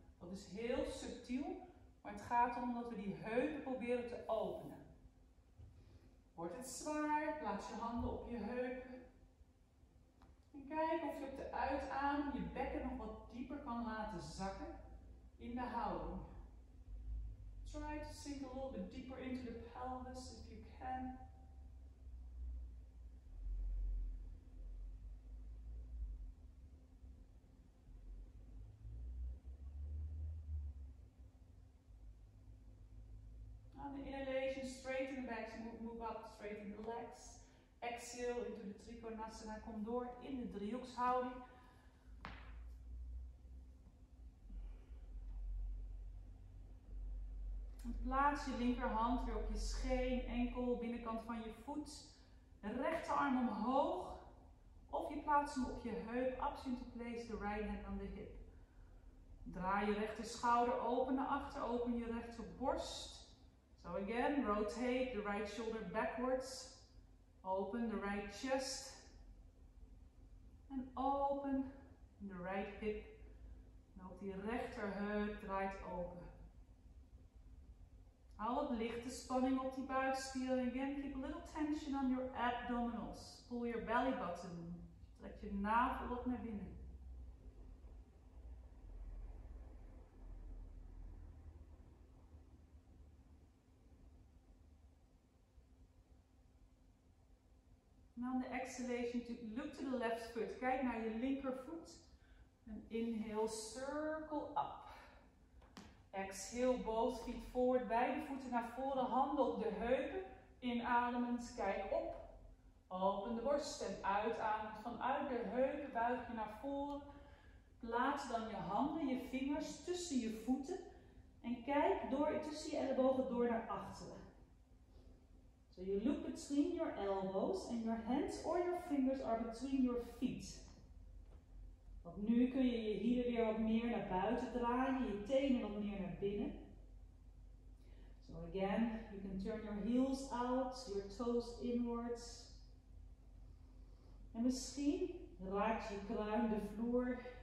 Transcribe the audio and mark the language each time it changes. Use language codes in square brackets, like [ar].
[nl] Dat is heel subtiel, maar het gaat om dat we die heupen proberen te openen. Wordt het zwaar, plaats je handen op je heupen. En kijk of je op de uitademing je bekken nog wat dieper kan laten zakken in de houding. [en] Try to sink a little bit deeper into the pelvis if you can. On the inhalation, straighten the back, move up, straighten the legs. Exhale into the Trikonasana, [nl] kom door in de driehoekshouding. En plaats je linkerhand weer op je scheen, enkel, binnenkant van je voet. Rechterarm omhoog of je plaatst hem op je heup. [en] Option to place the right hand on the hip. [nl] Draai je rechter schouder open naar achter, open je rechter borst. [en] So again, rotate the right shoulder backwards. Open the right chest and open the right hip. [nl] En ook die rechterheup draait open. Hou wat lichte spanning op die buikspieren. [en] Again, keep a little tension on your abdominals. Pull your belly button. [nl] Trek je navel wat naar binnen. [en] On the exhalation, look to the left foot. [nl] Kijk naar je linkervoet. [en] And inhale, circle up. Exhale, both feet forward. [nl] Beide voeten naar voren. Handen op de heupen. Inademend, kijk op. Open de borst en uitademend. Vanuit de heupen buig je naar voren. Plaats dan je handen, je vingers tussen je voeten. En kijk door tussen je ellebogen door naar achteren. [en] So you look between your elbows and your hands or your fingers are between your feet. [nl] Want nu kun je je hielen weer wat meer naar buiten draaien, je tenen wat meer naar binnen. [en] So again, you can turn your heels out, your toes inwards. [nl] En misschien raakt je kruin de vloer.